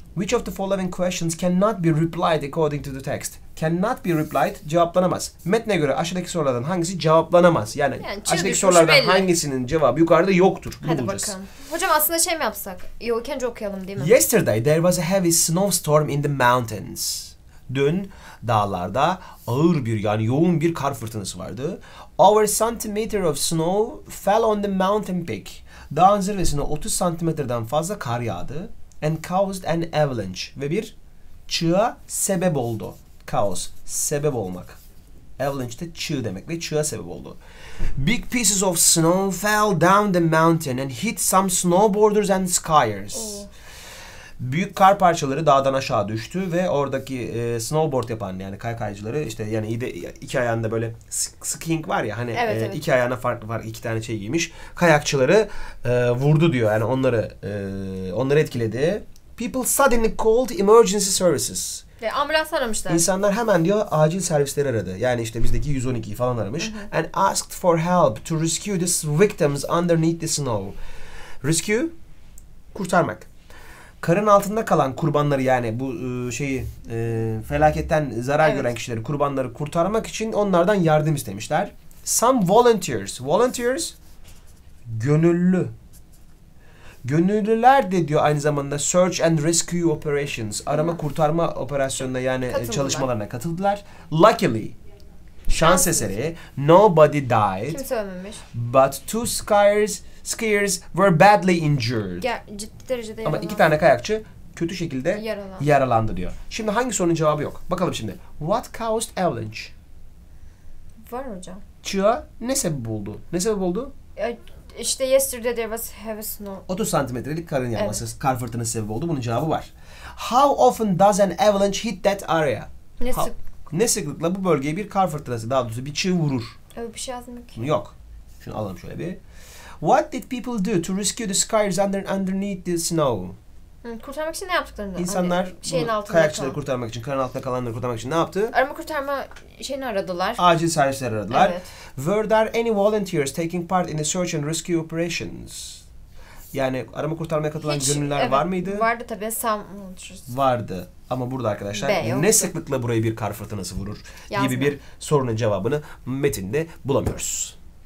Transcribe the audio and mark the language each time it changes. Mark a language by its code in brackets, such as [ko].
[en] Which of the following questions cannot be replied according to the text? Cannot be replied, [tr] cevaplanamaz. Metne göre aşağıdaki sorulardan hangisi cevaplanamaz? Yani aşağıdaki sorulardan hangisinin cevabı yukarıda yoktur? Hadi bakalım. Hocam aslında şey mi yapsak? Yokence okuyalım değil mi? [en] Yesterday there was a heavy snowstorm in the mountains. [tr] Dün dağlarda ağır bir yani yoğun bir kar fırtınası vardı. [en] Over centimeter of snow fell on the mountain peak. [tr] Dağın zirvesine 30 santimetreden fazla kar yağdı. [en] And caused an avalanche. [tr] Ve bir çığa sebep oldu. Kaos. Sebep olmak. Avalanche de çığ demek ve çığa sebep oldu. [en] Big pieces of snow fell down the mountain and hit some snowboarders and skiers. [tr] Büyük kar parçaları dağdan aşağı düştü ve oradaki snowboard yapan yani kaykaycıları işte yani iki ayağında böyle skiing var ya hani evet, evet. iki ayağına farklı var iki tane şey giymiş kayakçıları vurdu diyor yani onları onları etkiledi. [en] People suddenly called emergency services. [tr] Ambulans aramışlar. İnsanlar hemen diyor acil servisleri aradı. Yani işte bizdeki 112'yi falan aramış. Uh-huh. [en] And asked for help to rescue these victims underneath the snow. [tr] Rescue, kurtarmak. Karın altında kalan kurbanları yani bu şeyi felaketten zarar evet. gören kişileri, kurbanları kurtarmak için onlardan yardım istemişler. [en] Some volunteers. Volunteers, gönüllü. [tr] Gönüllüler de diyor aynı zamanda [en] search and rescue operations. [tr] Arama kurtarma operasyonuna yani katıldılar. Çalışmalarına katıldılar. [en] Luckily, [tr] şans eseri, [en] nobody died. [tr] Kimse ölmemiş. [en] But two skiers... Skiers were badly injured. [tr] Ciddi derecede yaralandı. Ama iki tane kayakçı kötü şekilde yaralandı. Yaralandı diyor. Şimdi hangi sorunun cevabı yok? Bakalım şimdi. [en] What caused avalanche? [tr] Var hocam. Çığa ne sebep oldu? Ne sebep oldu? [en] İşte yesterday there was heavy snow. [tr] 30 santimetrelik karın yağması, evet. kar fırtınası sebep oldu. Bunun cevabı var. [en] How often does an avalanche hit that area? [tr] Ne sıklıkla bu bölgeye bir kar fırtınası, daha doğrusu bir çığ vurur? Öyle bir şey yazmıyor ki. Yok. Şunu alalım şöyle bir. [en] What did people do to rescue the skiers underneath the snow? [tr] Kurtarmak için ne yaptıklarını? İnsanlar hani şeyin altında kayakçıları kalan. Kurtarmak için, karın altında kalanları kurtarmak için ne yaptı? Arama kurtarma şeyini aradılar. Acil servisleri aradılar. Evet. [en] Were there any volunteers taking part in the search and rescue operations? [tr] Yani arama kurtarmaya katılan gönüllüler evet, var mıydı? Vardı tabii. Some... Vardı. Ama burada arkadaşlar ne sıklıkla buraya bir kar fırtınası vurur gibi bir sorunun cevabını metinde bulamıyoruz.